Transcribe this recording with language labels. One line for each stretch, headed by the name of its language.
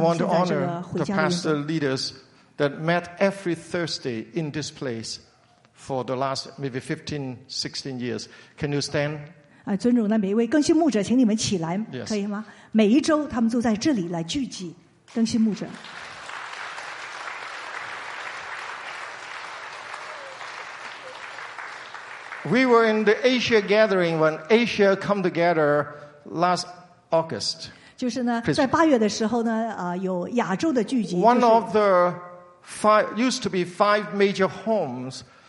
English: I want to honor the pastor leaders that met every Thursday in this place for the last maybe 15, 16 years. Can you stand?
Chinese: 尊重的每一位更新牧者，请你们起来，可以吗？每一周他们都在这里来聚集，更新牧者。
English: We were in the Asia gathering when Asia come together last August.
Chinese: 就是呢，在八月的时候呢，有亚洲的聚集。
English: One of the five used to be five major homes.